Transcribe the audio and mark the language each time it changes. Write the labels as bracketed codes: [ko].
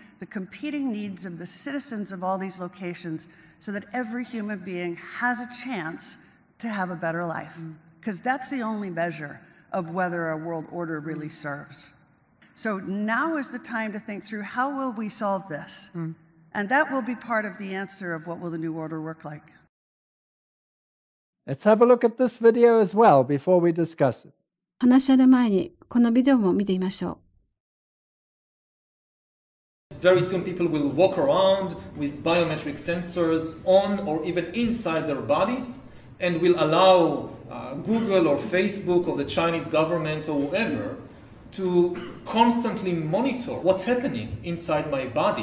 [en] the competing needs of the citizens of all these locations so that every human being has a chance to have a better life. Because that's the only measure of whether a world order really serves. So now is the time to think through how will we solve this? And that will be part of the answer of what will the new order look like. Let's have a look at this video as well before we discuss it. [ja] 話し合う前にこのビデオも見てみましょう。 [en] Very soon people will walk around with biometric sensors on or even inside their bodies and will allow Google or Facebook or the Chinese government or whoever to constantly monitor what's happening inside my body.